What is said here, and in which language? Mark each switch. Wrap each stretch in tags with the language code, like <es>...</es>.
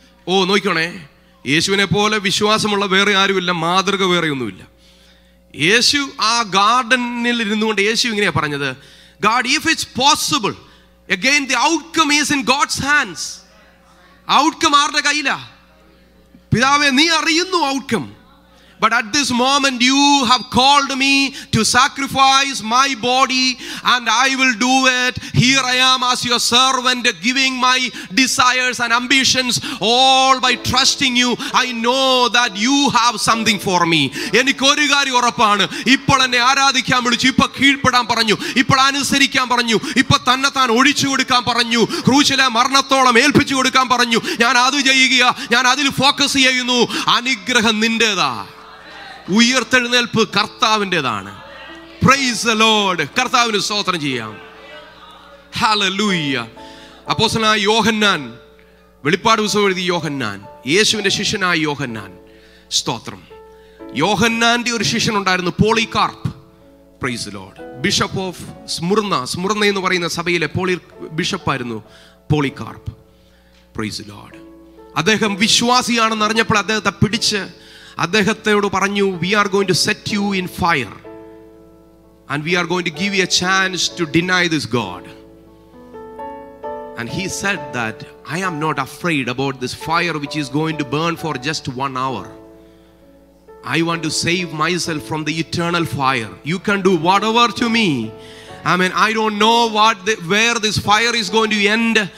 <ml>ഓ, നോക്കിക്കോണേ, യേശുവിനെ പോലെ വിശ്വാസമുള്ള വേറെ ആരുമില്ല, മാതൃക വേറെ ഒന്നുമില്ല. യേശു ആ ഗാർഡനിൽ ഇരുന്നു കൊണ്ട് യേശു ഇങ്ങനെയാണ് പറഞ്ഞത്,</ml> <en>God if it's possible, again the outcome is in God's hands.</en> <ml>Outcome ആരുടെ കയ്യിലാ? പിതാവേ നീ അറിയുന്നു outcome.</ml> <en>But at this moment you have called me to sacrifice my body and I will do it. Here I am as your servant giving my desires and ambitions all by trusting you. I know that you have something for me.</en> <ml>എനിക്ക് ഒരു കാര്യം ഉറപ്പാണ്, ഇപ്പോൾ എന്നെ ആരാധിക്കാൻ വിളിച്ചു, ഇപ്പൊ കീഴ്പ്പെടാൻ പറഞ്ഞു, ഇപ്പോൾ അനുസരിക്കാൻ പറഞ്ഞു, ഇപ്പൊ തന്നെ താൻ ഒഴിച്ചു കൊടുക്കാൻ പറഞ്ഞു, ക്രൂശിലെ മരണത്തോളം ഏൽപ്പിച്ചു കൊടുക്കാൻ പറഞ്ഞു. ഞാൻ അത് ചെയ്യുക, ഞാൻ അതിൽ ഫോക്കസ് ചെയ്യുന്നു. അനുഗ്രഹം നിന്റേതാ. ഉയർത്തെഴുന്നേൽപ്പ് കർത്താവിൻ്റെതാണ്.</ml> <en>Praise the Lord.</en> <ml>കർത്താവിന് സ്തോത്രം ചെയ്യാം. ഹല്ലേലൂയ. അപ്പോസ്തലനായ യോഹന്നാൻ, വെളിപ്പാട് ഉത്സവം എഴുതിയ യോഹന്നാൻ, യേശുവിൻ്റെ ശിഷ്യനായ യോഹന്നാൻ, സ്തോത്രം. യോഹന്നാൻ്റെ ഒരു ശിഷ്യനുണ്ടായിരുന്നു Polycarp,</ml> <en>praise the Lord,</en> <ml>bishop of സ്മുർന്ന. സ്മുർന്ന എന്ന് പറയുന്ന സഭയിലെ poly ബിഷപ്പായിരുന്നു Polycarp,</ml> <en>Praise the Lord.</en> <ml>അദ്ദേഹം വിശ്വാസിയാണെന്ന് അറിഞ്ഞപ്പോൾ അദ്ദേഹത്തെ പിടിച്ച് അദ്ദേഹത്തോട് പറഞ്ഞു,</ml> <en>We are going to set you in fire and we are going to give you a chance to deny this God. And he said that I am not afraid about this fire which is going to burn for just 1 hour. I want to save myself from the eternal fire. You can do whatever to me. I mean, I don't know what where this fire is going to end.</en>